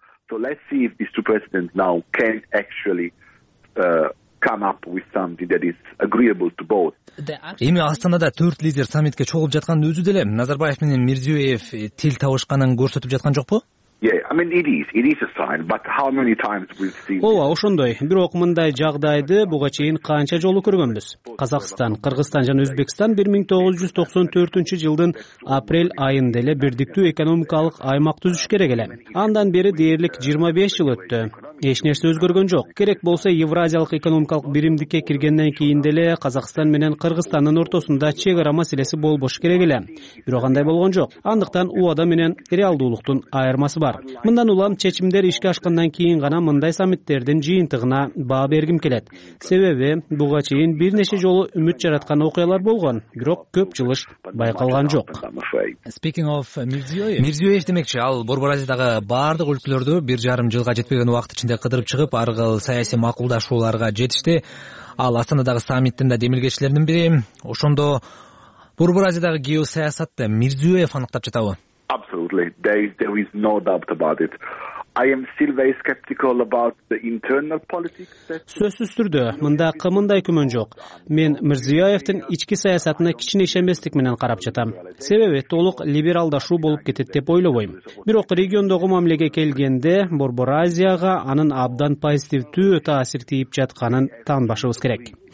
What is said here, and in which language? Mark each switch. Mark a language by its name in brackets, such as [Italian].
[English] So let's see if these two presidents now can actually come up with something that is agreeable to both. [Kyrgyz] Эми Астанада 4 лидер саммитке чогулуп жатканын өзү деле Назарбаев менен Мирзиёев тил табышканын көрсөтүп жаткан жокпу? [English] Yeah, I mean it is a sign, but how many times we've seen [Kyrgyz] Ооба, ошондой. Бирок мындай жагдайды буга чейин канча жолу көргөнбүз? Казакстан, Кыргызстан жана Өзбекстан 1994 жылдын апрель айында эле бирдиктүү экономикалык аймак түзүш керек эле. Андан бери дээрлик 25 жыл өттү. Эч нерсе өзгөргөн жок. Керек болсо Евразиялык экономикалык биримдикке киргенден кийин деле Казакстан менен Кыргызстандын ортосунда чек ара маселеси болбош керек эле. Бирок андай болгон жок. Андыктан УАДА менен реалдуулуктун айырмасы бар. Мындан улам чечимдер ишке ашкандан кийин гана мындай саммиттердин жыйынтыгына баа бергим келет. Себеби буга чейин бир нече жолу үмүт жараткан окуялар болгон, бирок көп жылыш байкалган жок. [English] Speaking of Мирзиёев. [Kyrgyz] Мирзиёев демекчи, ал Борбор Азиядагы баардык өлкөлөрдү 1.5 жылга жетпеген убакыт ичинде кыдырып чыгып, ар кыл саясий макулдашууларга жетишти. Ал Астанадагы саммиттин да демилгечилеринин бири. Ошондо Борбор Азиядагы геосаясатты Мирзиёев аныктап жатабы? [English] Absolutely. There is no doubt about it. I am still very skeptical about the internal politics. [Kyrgyz] Сөзсүз түрдө мында кымындай күмөн жок. Мен Мирзиёевдин ички саясатына кичине ишенбестик менен карап жатам. Себеби толук либералдашуу болуп кетет деп ойлобойм. Бирок региондогу мамилеге келгенде Борбор Азияга анын абдан позитивдүү таасир тийип жатканын таанышыбыз керек.